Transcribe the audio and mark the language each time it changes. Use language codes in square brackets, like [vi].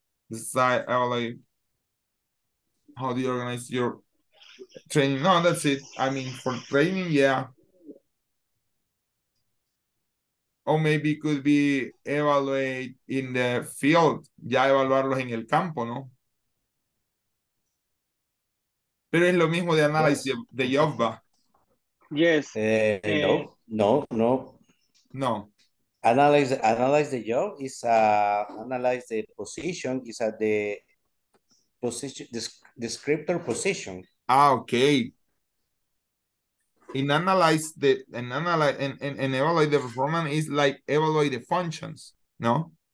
[en] Decide, evaluate, how do you organize your training? No, that's it. I mean, for training, yeah. Or maybe it could be evaluate in the field. [es] Ya evaluarlos en el campo, ¿no? Pero es lo mismo de análisis de job. [en] Yes. No. Analyze the job is analyze the position, is a the position descriptor position. Ah, okay. And evaluate the performance is like evaluate the functions, no?